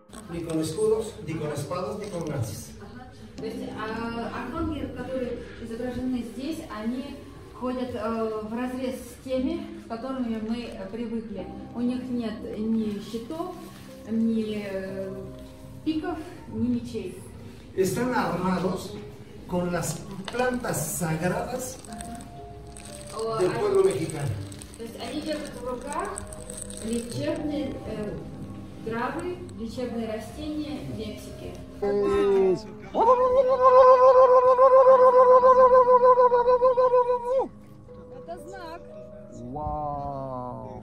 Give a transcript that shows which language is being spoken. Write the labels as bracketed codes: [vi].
[ru] Ни [es] con escudos, ни con espadas, ни con gracias. [ru] То есть архангелы, которые изображены здесь, они ходят в разрез с теми, с которыми мы привыкли. У них нет ни щитов, ни пиков, ни мечей. [es] Están armados con las plantas sagradas del pueblo mexicano. [ru] То есть они держат в руках лечебные травы, лечебные растения, Мексики. Это знак. Вау.